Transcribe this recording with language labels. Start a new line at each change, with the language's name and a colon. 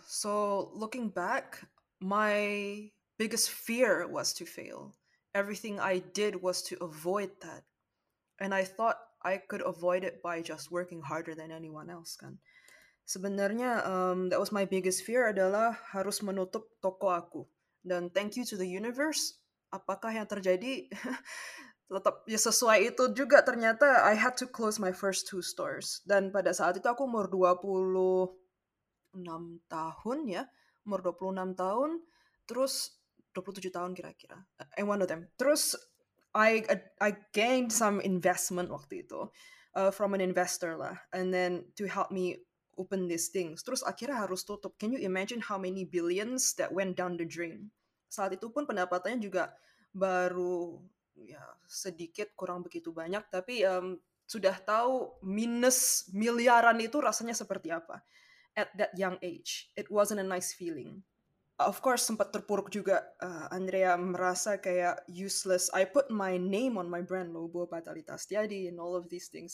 English: So, looking back, my biggest fear was to fail. Everything I did was to avoid that. And I thought I could avoid it by just working harder than anyone else,
Indonesian: kan? Sebenarnya,
English: that was my biggest fear
Indonesian: adalah harus menutup toko aku. Dan
English: thank you to the universe,
Indonesian: apakah yang terjadi, tetap ya sesuai itu juga ternyata
English: I had to close my first two stores.
Indonesian: Dan pada saat itu aku umur 26 tahun ya, umur 26 tahun, terus 27 tahun kira-kira.
English: And one of them.
Indonesian: Terus
English: I gained some investment
Indonesian: waktu itu
English: from an investor
Indonesian: lah.
English: And then to help me open these things.
Indonesian: Terus akhirnya harus tutup.
English: Can you imagine how many billions that went down the drain?
Indonesian: Saat itu pun pendapatannya juga baru ya sedikit, kurang begitu banyak. Tapi sudah tahu minus miliaran itu rasanya seperti apa.
English: At that young age, it wasn't a nice feeling. Of course,
Indonesian: sempat terpuruk juga.
English: Andrea
Indonesian: merasa kayak
English: useless. I put my name on my brand, Lobo Batalita Setiadi, and all of these things.